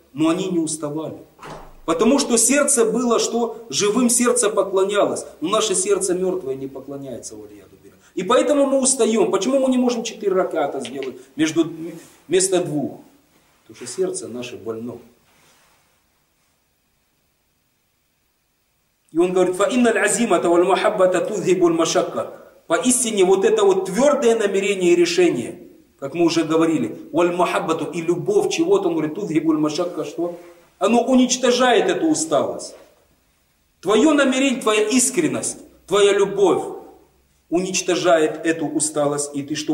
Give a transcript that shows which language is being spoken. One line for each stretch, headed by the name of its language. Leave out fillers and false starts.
Russian: Но они не уставали. Потому что сердце было, что живым сердце поклонялось. Но наше сердце мертвое не поклоняется, валия дубира. И поэтому мы устаем. Почему мы не можем 4 раката сделать вместо 2? Потому что сердце наше больно. И он говорит,
Arabic: فَإِنَّ الْعَزِيمَةَ وَالْمَحَبَّةَ تُذْهِبُ الْمَشَكَّةَ.
Russian: Поистине вот это вот твердое намерение и решение, как мы уже говорили, вальмахаббату и любовь чего-то, он говорит,
Arabic: тут гибуль машакка,
Russian: что? Оно уничтожает эту усталость. Твое намерение, твоя искренность, твоя любовь уничтожает эту усталость, и ты что?